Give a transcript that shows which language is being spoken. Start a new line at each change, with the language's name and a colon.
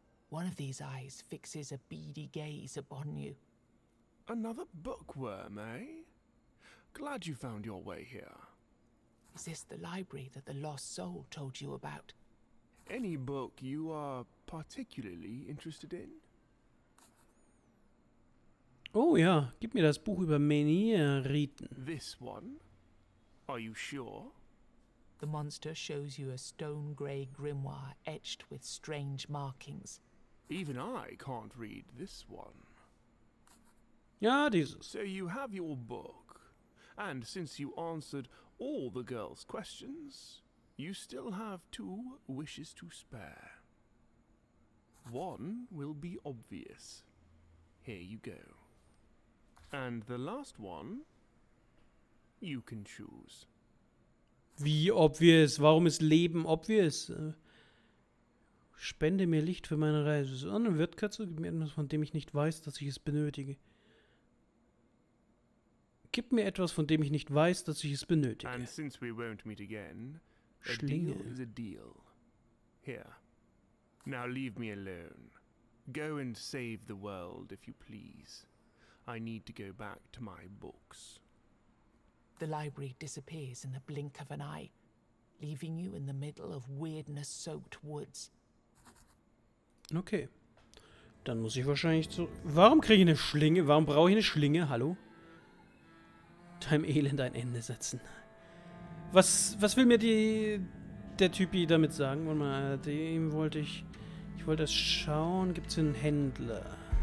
English: One of these eyes fixes a beady gaze upon you. Another bookworm, eh? Glad you found your way here. Is this the library that the lost soul told you about? any book you are particularly interested in?
German: Oh ja, gib mir das Buch über Menhir-Riten.
English: This one? Are you sure? The monster shows you a stone-gray grimoire etched with strange markings. Even I can't read this one.
German: Ja, dieses.
English: So you have your book. And since you answered all the girl's questions, you still have two wishes to spare. One will be obvious. Here you go. And the last one, you can choose.
German: Wie obvious? Warum ist Leben obvious? Spende mir Licht für meine Reise. Das ist eine Wirtkatze, gib mir etwas, von dem ich nicht weiß, dass ich es benötige. Gib mir etwas, von dem ich nicht weiß, dass ich es benötige.
English: And since we won't meet again, a
German: Schlinge.
English: Deal is a deal. Here. Now leave me alone. Go and save the world, if you please. I need to go back to my books. The library disappears in the blink of an eye, leaving you in the middle of weirdness-soaked woods. Okay.
German: Dann muss ich wahrscheinlich zu... Warum kriege ich eine Schlinge? Warum brauche ich eine Schlinge? Hallo? Deinem Elend ein Ende setzen. Was will mir der Typi damit sagen? Warte mal, dem wollte ich... Ich wollte das schauen. Gibt's einen Händler?